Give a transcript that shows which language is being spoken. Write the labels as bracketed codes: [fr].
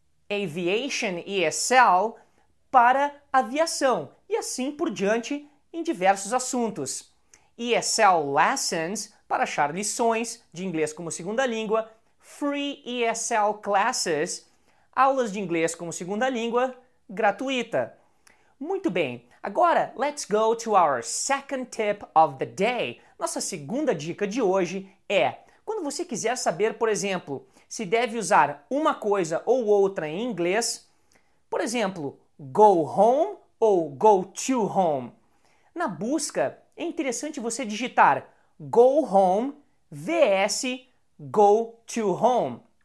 [pt] Aviation ESL, para aviação, e assim por diante em diversos assuntos. ESL Lessons, para achar lições de inglês como segunda língua. Free ESL Classes, aulas de inglês como segunda língua, gratuita. Muito bem, agora [en] let's go to our second tip of the day. [pt] Nossa segunda dica de hoje é: quando você quiser saber, por exemplo, se deve usar uma coisa ou outra em inglês, por exemplo, go home ou go to home. Na busca, é interessante você digitar go home vs go to home.